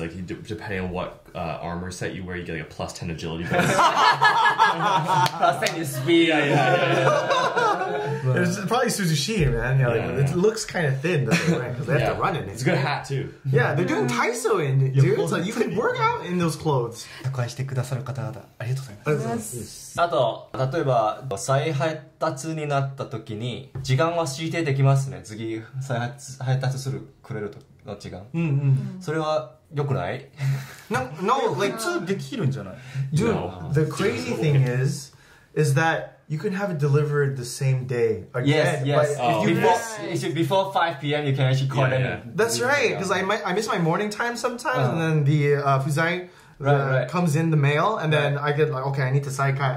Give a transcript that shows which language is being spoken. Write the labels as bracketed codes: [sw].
[en] Like you depending on what armor set you wear, you get like a plus 10 agility bonus. Plus 10 speed. Yeah. It's probably Suzushi, man. You know, yeah, like, yeah. It looks kind of thin, doesn't it? Because they have to run in it. It's a good hat too. Yeah, they're doing Taiso in it, dude. So you can work out in those clothes. [ja] 宅配してくださる方々、ありがとうございます。あと、例えば再配達になった時に時間は指定できますね。次再配達するくれると。違う。うんうん。それは良くない？ [en] No, no. Like, [ja] 普通できるんじゃない？ [en] Dude, no. The crazy thing is that you can have it delivered the same day again. Yes. If before 5 p.m. you can actually call in. That's right. Because I miss my morning time sometimes, and then the Fuzai. Right. comes in the mail, and then I get like, okay, I need to saikai.